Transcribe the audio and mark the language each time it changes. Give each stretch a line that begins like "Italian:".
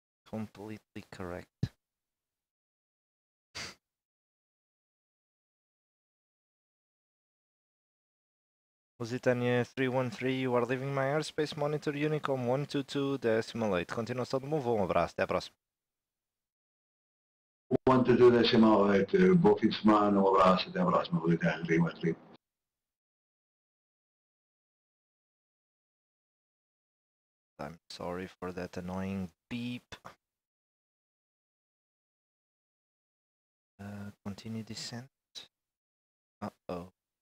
English: Completely correct. Lusitania 313, you are leaving my airspace, monitor Unicom 122.8.
Portuguese: Continuação do move, um abraço, até a próxima. 122.8, bom fim de semana, um abraço, até a próxima, Lusitania 313.
English: I'm sorry for that annoying beep. Continue descent. Uh-oh.